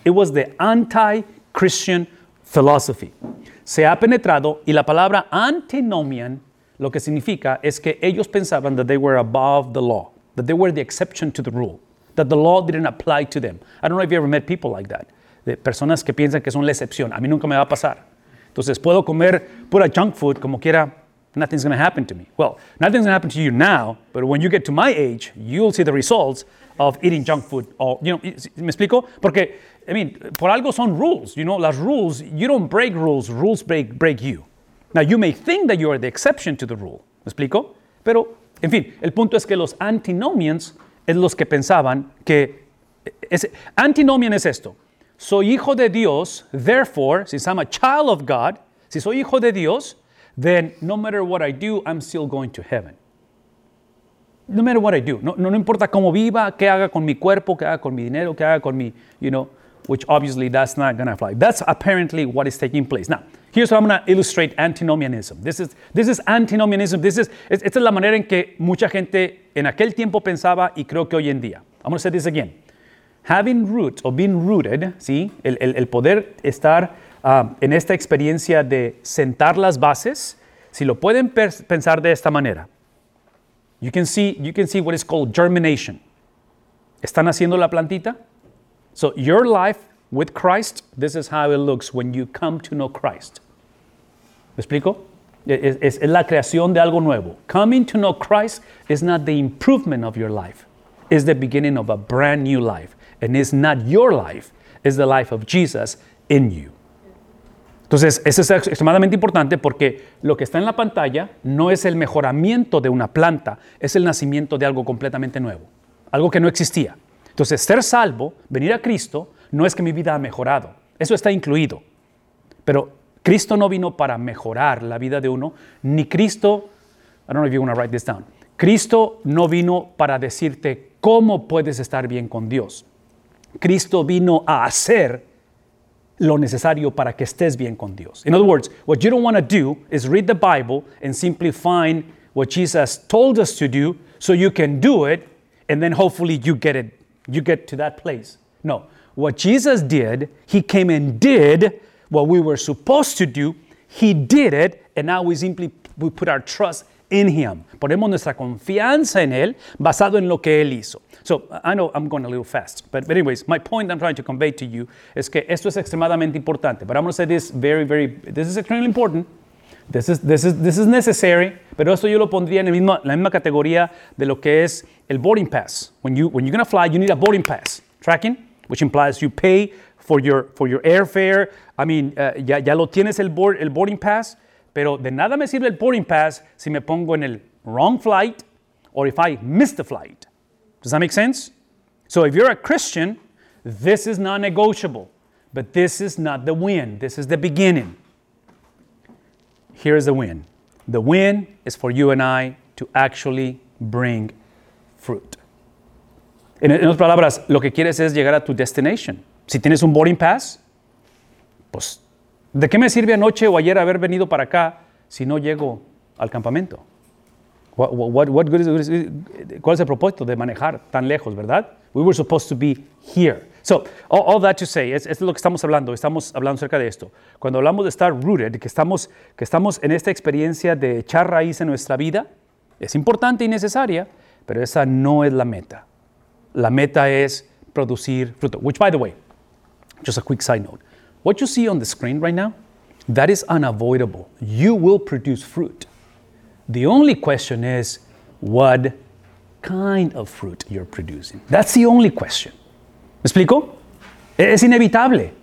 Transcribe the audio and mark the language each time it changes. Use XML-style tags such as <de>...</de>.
<en>It was the anti-Christian philosophy.</en> <es>Se ha penetrado y la palabra antinomian, lo que significa es que ellos pensaban</es> <en>that they were above the law. That they were the exception to the rule, that the law didn't apply to them. I don't know if you ever met people like that.</en> <es>de personas que piensan que son la excepción. A mí nunca me va a pasar. Entonces, puedo comer pura junk food como quiera.</es> <en>Nothing's going to happen to me. Well, nothing's going to happen to you now, but when you get to my age, you'll see the results of eating junk food. Or, you know,</en> <es>¿me explico? Porque,</es> <en>I mean,</en> <es>por algo son rules.</es> <en>You know, las rules, you don't break rules. Rules break you. Now, you may think that you are the exception to the rule.</en> <es>¿Me explico? Pero, en fin, el punto es que los antinomians es los que pensaban que... Antinomian es esto. Soy hijo de Dios,</es> <en>therefore, since I'm a child of God,</en> <es>si soy hijo de Dios,</es> <en>then no matter what I do, I'm still going to heaven. No matter what I do.</en> <es>No importa cómo viva, qué haga con mi cuerpo, qué haga con mi dinero, qué haga con mi,</es> <en>you know, which obviously that's not going to fly. That's apparently what is taking place. Now, here's how I'm going to illustrate antinomianism. This is antinomianism.</en> <es>Esta es la manera en que mucha gente en aquel tiempo pensaba y creo que hoy en día.</es> <en>I'm going to say this again. Having roots or being rooted, ¿sí?</en> <es>El poder estar en esta experiencia de sentar las bases, si lo pueden pensar de esta manera.</es> <en>You can see what is called germination.</en> <es>¿Están haciendo la plantita?</es> <en>So your life with Christ, this is how it looks when you come to know Christ.</en> <es>¿Me explico? Es la creación de algo nuevo.</es> <en>Coming to know Christ is not the improvement of your life. It's the beginning of a brand new life. And it's not your life, it's the life of Jesus in you.</en> <es>Entonces, eso es extremadamente importante porque lo que está en la pantalla no es el mejoramiento de una planta, es el nacimiento de algo completamente nuevo, algo que no existía. Entonces, ser salvo, venir a Cristo, no es que mi vida ha mejorado. Eso está incluido. Pero Cristo no vino para mejorar la vida de uno, ni Cristo,</es> <en>I don't know if you want to write this down,</en> <es>Cristo no vino para decirte cómo puedes estar bien con Dios. Cristo vino a hacer lo necesario para que estés bien con Dios.</es> <en>In other words, what you don't want to do is read the Bible and simply find what Jesus told us to do so you can do it and then hopefully you get to that place. No, what Jesus did, he came and did what we were supposed to do. He did it and now we put our trust in him.</en> <es>Ponemos nuestra confianza en él basado en lo que él hizo.</es> <en>So, I know I'm going a little fast, but anyways, my point I'm trying to convey to you is</en> <es>que esto es extremadamente importante,</es> <en>but I'm going to say this very, very, this is extremely important, this is necessary,</en> <es>pero esto yo lo pondría en la misma categoría de lo que es el boarding pass.</es> <en>When you're going to fly, you need a boarding pass, tracking, which implies you pay for your airfare. I mean,</en> <es>ya lo tienes el boarding pass, pero de nada me sirve el boarding pass si me pongo en el</es> <en>wrong flight or if I miss the flight. Does that make sense? So if you're a Christian, this is non-negotiable. But this is not the win. This is the beginning. Here is the win. The win is for you and I to actually bring fruit.</en> <es>En otras palabras, lo que quieres es llegar a tu destination. Si tienes un boarding pass, pues, ¿de qué me sirve anoche o ayer haber venido para acá si no llego al campamento? ¿Cuál es el propósito de manejar tan lejos, verdad?</es> <en>We were supposed to be here. So, all that to say,</en> <es>es lo que estamos hablando acerca de esto. Cuando hablamos de estar rooted, que estamos en esta experiencia de echar raíz en nuestra vida, es importante y necesaria, pero esa no es la meta. La meta es producir fruto.</es> <en>Which, by the way, just a quick side note. What you see on the screen right now, that is unavoidable. You will produce fruit. The only question is, what kind of fruit you're producing? That's the only question.</en> <es>¿Me explico? Es inevitable.</es>